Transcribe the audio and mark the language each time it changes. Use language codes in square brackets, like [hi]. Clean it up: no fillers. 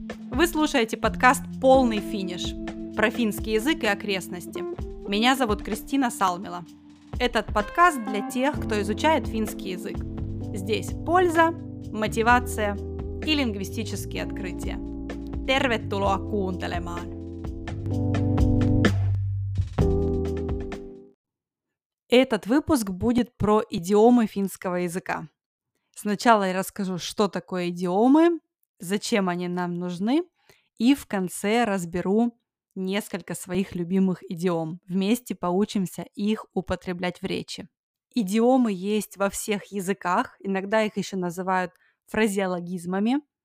[ru] Вы слушаете подкаст «Полный финиш» про финский язык и окрестности. Меня зовут Кристина Салмела. Этот подкаст для тех, кто изучает финский язык. Здесь польза, мотивация и лингвистические открытия. [fi] Tervetuloa kuuntelemaan! [ru] Этот выпуск будет про идиомы финского языка. Сначала я расскажу, что такое идиомы, зачем они нам нужны, и в конце разберу несколько своих любимых идиом. Вместе поучимся их употреблять в речи. Идиомы есть во всех языках, иногда их еще называют фразеологизмами.